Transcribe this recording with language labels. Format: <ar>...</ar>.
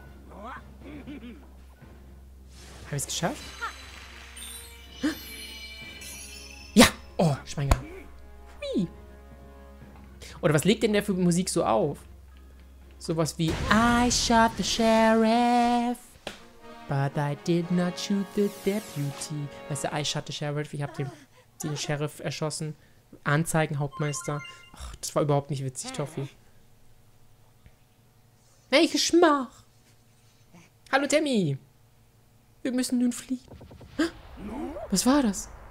<de>Habe ich es geschafft? Ja! Oh, Schweinger. Wie? Oder was legt denn der für Musik so auf? Sowas wie</de> <en>I shot the sheriff. But I did not shoot the deputy.</en> <de>Weißt du,</de> <en>I shot the sheriff.</en> <de>Ich habe den Sheriff erschossen. Anzeigen, Hauptmeister. Ach, das war überhaupt nicht witzig, Toffi. Welche Schmach! Hallo, Tammy! Wir müssen nun fliehen. Was war das?</de>